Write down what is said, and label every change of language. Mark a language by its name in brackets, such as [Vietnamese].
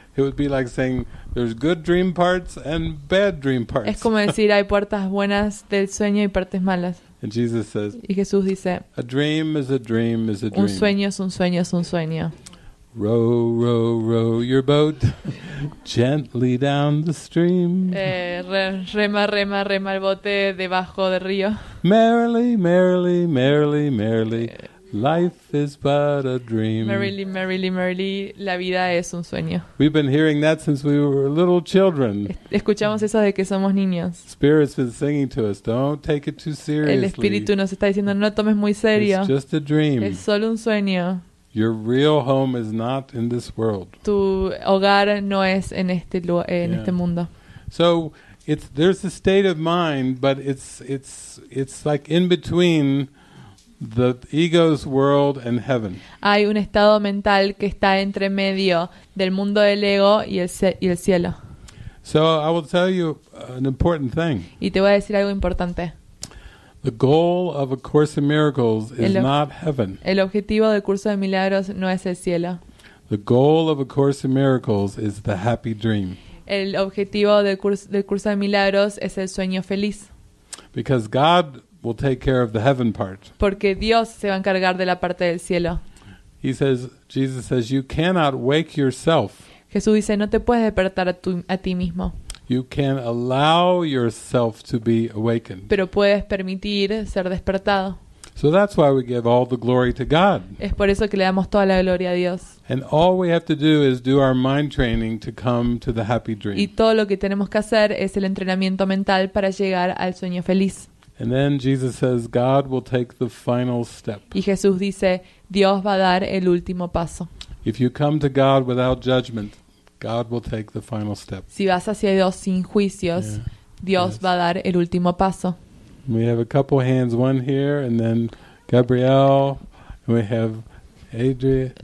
[English] It would be like saying there's good dream parts and bad dream parts. [Spanish] Es como decir hay puertas buenas del sueño y partes malas. [English] And Jesus says. [Spanish] Y Jesús dice. [English] A dream is a dream is a dream. [Spanish] Un sueño es un sueño es un sueño. [English] Row, row, row your boat gently down the stream. [Spanish] Rema, rema, rema el bote debajo del río. [English] Merrily, merrily, merrily, merrily. Life is but a dream. Merrily, merrily, merrily, [Spanish] la vida es un sueño. [English] We've been hearing that since we were little children. [Spanish] Escuchamos eso desde que somos niños. [English] Spirit's been singing to us, don't take it too seriously. [Spanish] El espíritu nos está diciendo, no lo tomes muy serio. [English] It's just a dream. [Spanish] Es solo un sueño. [English] Your real home is not in this world. [Spanish] Tu hogar no es en este este mundo. [English] So, there's a state of mind, but it's like in between the ego's world and heaven. [Spanish] Hay un estado mental que está entre medio del mundo del ego y el cielo. [English] So I will tell you an important thing. [Spanish] Y te voy a decir algo importante. [English] The goal of a Course in Miracles is not heaven. [Spanish] El objetivo del curso de milagros no es el cielo. [English] The goal of a Course in Miracles is the happy dream. [Spanish] El objetivo del curso de milagros es el sueño feliz. [English] Because God will take care of the heaven part. [Spanish] Porque Dios se va a encargar de la parte del cielo. [English] He says, Jesus says, you cannot wake yourself. [Spanish] Jesús dice, no te puedes despertar a ti mismo. [English] You can allow yourself to be awakened. [Spanish] Pero puedes permitir ser despertado. [English] So that's why we give all the glory to God. [Spanish] Es por eso que le damos toda la gloria a Dios. [English] And all we have to do is do our mind training to come to the happy dream. [Spanish] Y todo lo que tenemos que hacer es el entrenamiento mental para llegar al sueño feliz. [English] And then Jesus says, God will take the final step. [Spanish] Y Jesús dice, Dios va a dar el último paso. [English] If you come to God without judgment, God will take the final step. [Spanish] Si vas hacia Dios sin juicios, yeah. Dios yes. va a dar el último paso. [English] We have a couple hands, one here, and then Gabrielle, and we have Adria.